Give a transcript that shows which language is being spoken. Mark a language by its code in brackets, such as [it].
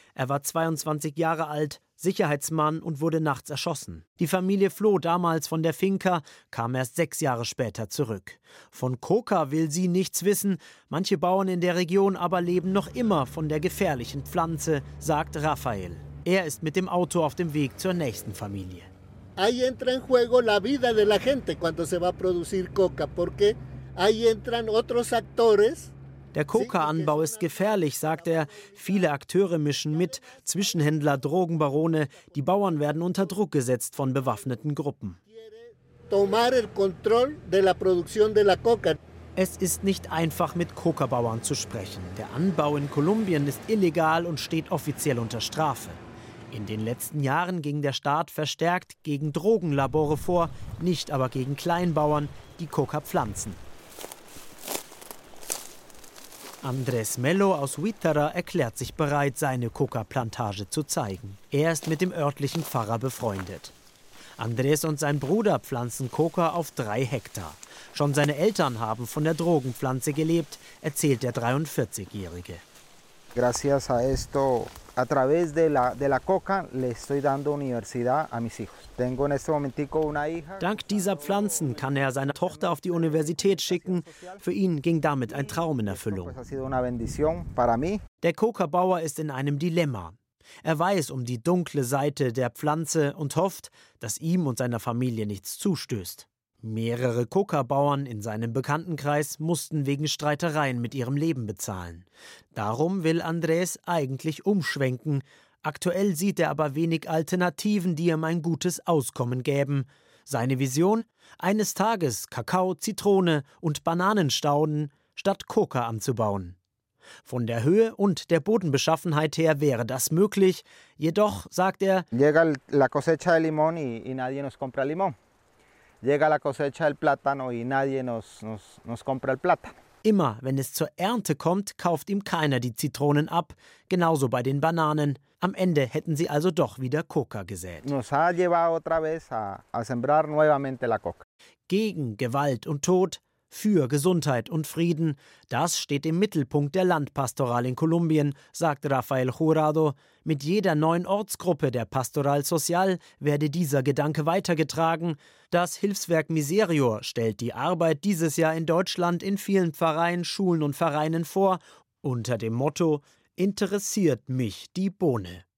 [de] Er war 22 Jahre alt, Sicherheitsmann und wurde nachts erschossen. Die Familie floh damals von der Finca, kam erst 6 Jahre später zurück. Von Coca will sie nichts wissen. Manche Bauern in der Region aber leben noch immer von der gefährlichen Pflanze, sagt Rafael. Er ist mit dem Auto auf dem Weg zur nächsten Familie. [es] Ahí entra en juego la vida de la gente cuando se va a producir Coca, porque ahí entran otros actores. [de] Der Coca-Anbau ist gefährlich, sagt er. Viele Akteure mischen mit, Zwischenhändler, Drogenbarone. Die Bauern werden unter Druck gesetzt von bewaffneten Gruppen. Es ist nicht einfach, mit Coca-Bauern zu sprechen. Der Anbau in Kolumbien ist illegal und steht offiziell unter Strafe. In den letzten Jahren ging der Staat verstärkt gegen Drogenlabore vor, nicht aber gegen Kleinbauern, die Coca pflanzen. Andrés Mello aus Huitara erklärt sich bereit, seine Coca-Plantage zu zeigen. Er ist mit dem örtlichen Pfarrer befreundet. Andrés und sein Bruder pflanzen Coca auf 3 Hektar. Schon seine Eltern haben von der Drogenpflanze gelebt, erzählt der 43-Jährige. [es] Gracias a esto, a través de la Coca, le estoy dando Universidad a mis hijos. [de] Dank dieser Pflanzen kann er seine Tochter auf die Universität schicken. Für ihn ging damit ein Traum in Erfüllung. Der Coca-Bauer ist in einem Dilemma. Er weiß um die dunkle Seite der Pflanze und hofft, dass ihm und seiner Familie nichts zustößt. Mehrere Coca-Bauern in seinem Bekanntenkreis mussten wegen Streitereien mit ihrem Leben bezahlen. Darum will Andrés eigentlich umschwenken. Aktuell sieht er aber wenig Alternativen, die ihm ein gutes Auskommen gäben. Seine Vision? Eines Tages Kakao, Zitrone und Bananen stauden, statt Coca anzubauen. Von der Höhe und der Bodenbeschaffenheit her wäre das möglich. Jedoch, sagt er, [es] llega la cosecha de limón y nadie nos compra limón. Llega la cosecha del plátano y nadie nos compra el plátano. [de] Immer, wenn es zur Ernte kommt, kauft ihm keiner die Zitronen ab. Genauso bei den Bananen. Am Ende hätten sie also doch wieder Coca gesät. [es] Nos ha llevado otra vez a sembrar nuevamente la coca. [de] Gegen Gewalt und Tod, für Gesundheit und Frieden. Das steht im Mittelpunkt der Landpastoral in Kolumbien, sagt Rafael Jurado. Mit jeder neuen Ortsgruppe der Pastoral Social werde dieser Gedanke weitergetragen. Das Hilfswerk Miserior stellt die Arbeit dieses Jahr in Deutschland in vielen Pfarreien, Schulen und Vereinen vor, unter dem Motto: Interessiert mich die Bohne.